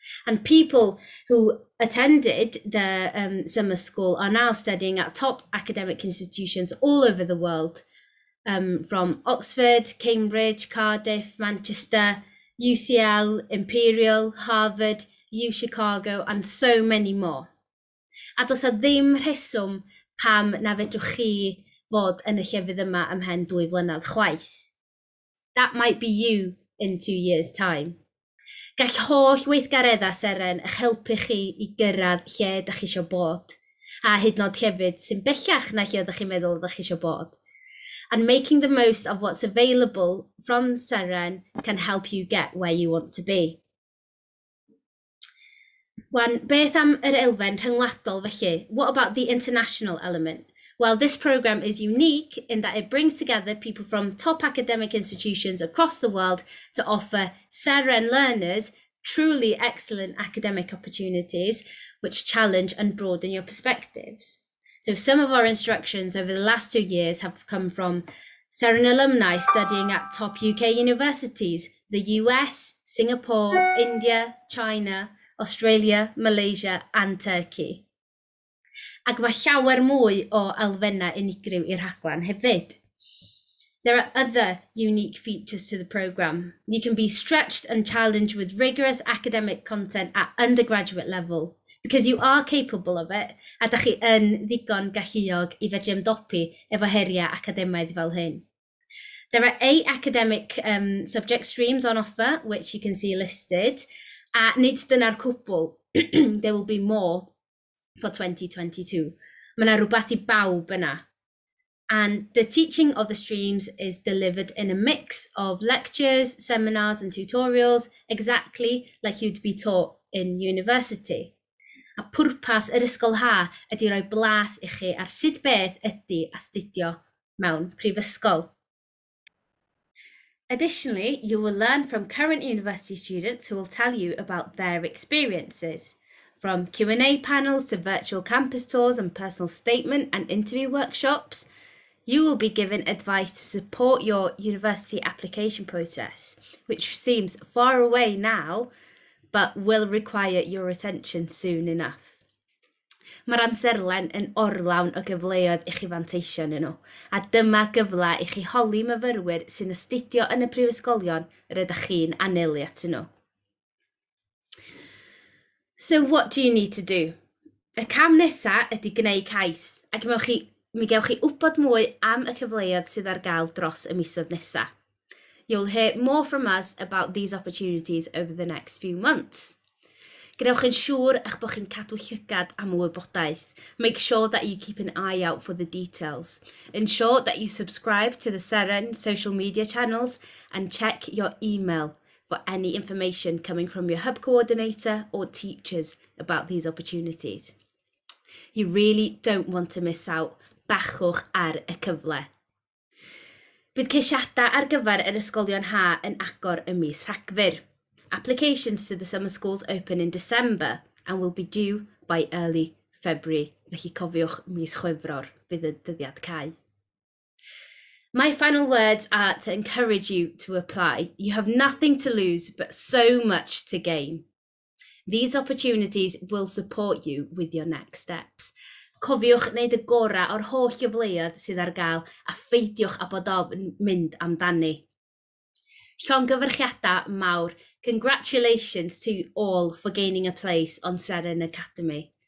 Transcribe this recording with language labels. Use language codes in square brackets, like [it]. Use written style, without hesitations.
[en] And people who attended the summer school are now studying at top academic institutions all over the world, from Oxford, Cambridge, Cardiff, Manchester, UCL, Imperial, Harvard, UChicago, and so many more. [cy] A does a ddim rheswm pam na fedrwch chi fod yn y llefydd yma ymhen 2 mlynedd chwaith. [en] That might be you in 2 years' time. [cy] Gall holl weithgareddau Seren eich helpu chi I gyrraedd lle ydych chi eisiau bod, a hyd yn oed llefydd sy'n bellach na lle ydych chi'n meddwl ydych chi eisiau bod. [en] And making the most of what's available from Seren can help you get where you want to be. [cy] Wan, beth am yr elfen rhyngwladol felly? [en] What about the international element? Well, this programme is unique in that it brings together people from top academic institutions across the world to offer Seren learners truly excellent academic opportunities which challenge and broaden your perspectives. So some of our instructions over the last 2 years have come from Seren alumni studying at top UK universities, the US, Singapore, India, China, Australia, Malaysia and Turkey. [cy] Ac mae llawer mwy o elfennau unigryw i'r rhaglen hefyd. [en] There are other unique features to the programme. You can be stretched and challenged with rigorous academic content at undergraduate level because you are capable of it, [cy] a dach chi yn ddigon galluog I fedru ymdopi efo heriau academaidd fel hyn. [en] There are 8 academic subject streams on offer, which you can see listed, [cy] a nid dyna'r cwbl, [en] there will be more for 2022. [cy] Mae 'na rhywbeth I bawb yna. [en] And the teaching of the streams is delivered in a mix of lectures, seminars and tutorials, exactly like you'd be taught in university. [cy] A pwrpas yr ysgol ha ydy roi blas I chi ar sut beth ydy astudio mewn prifysgol. [en] Additionally, you will learn from current university students who will tell you about their experiences. From Q&A panels to virtual campus tours and personal statement and interview workshops, you will be given advice to support your university application process, which seems far away now, but will require your attention soon enough. [cy] Mae'r amserlen yn orlawn o gyfleoedd I chi fanteisio yn nhw, a dyma gyfle I chi holi myfyrwyr sy'n astudio yn y prifysgolion yr ydych chi'n anelu at nhw. [en] So what do you need to do? [cy] Y cam nesa ydy gwneud cais, ac mi gewch chi wbod mwy am y cyfleoedd sydd ar gael dros y misoedd nesa. [en] You'll hear more from us about these opportunities over the next few months. [cy] Gwnewch yn siŵr eich bod chi'n cadw llygad am wybodaeth. [en] Make sure that you keep an eye out for the details. Ensure that you subscribe to the Seren social media channels and check your email for any information coming from your hub coordinator or teachers about these opportunities. You really don't want to miss out. [cy] Bachwch ar y cyfle. Bydd ceisiadau ar gyfer yr ysgolion ha yn agor ym mis Rhagfyr. [en] Applications to the summer schools open in December and will be due by early February. [cy] Felly cofiwch mis Chwefror fydd y dyddiad cau. [en] My final words are to encourage you to apply. You have nothing to lose, but so much to gain. These opportunities will support you with your next steps. [cy] Cofiwch wneud y gorau o'r holl gyfleoedd sydd ar gael a pheidiwch a bod ofn mynd amdani. Llongyfarchiadau mawr. [en] Congratulations to you all for gaining a place on Seren Academy.